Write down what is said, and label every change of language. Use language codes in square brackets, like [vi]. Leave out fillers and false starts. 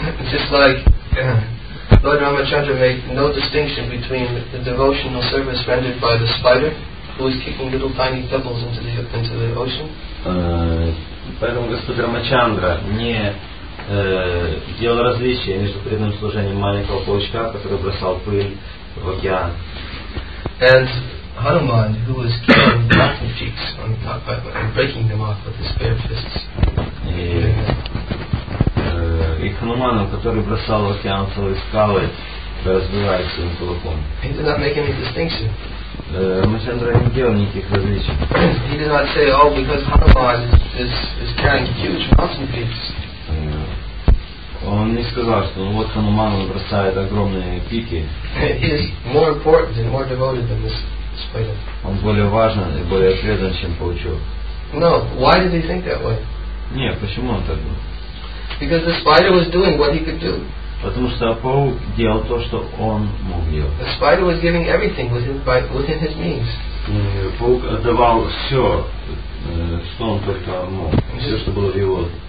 [en] Just like Lord Ramachandra made no distinction between the devotional service rendered by the spider who is kicking little tiny pebbles into the ocean. [ru] Поэтому Господь Рамачандра не делал различие между преданным служением маленького паучка, который бросал пыль в океан. [en] And Hanuman, who was killing mountain peaks and breaking them off with his bare fists. [ru] И Хануман, который бросал в океан целые скалы, разбивая своим кулаком. [en] He did not make any distinction. [ru] Рамачандра не делал никаких различий. [en] He did not say, oh, because Hanuman is carrying huge mountain peaks. [ru] Он не сказал, что вот Хануман бросает огромные пики. [en] He is more important and more devoted than this spider. [ru] Он более важен и более предан, чем паучок. [en] No, why did he think that way? [ru] Не, почему он так думал? [en] Because the spider was doing what he could do. [ru] Потому что паук делал то, что он мог делать. [en] The spider was giving everything within his means. [ru] Паук отдавал все, что он только мог, все, что было в его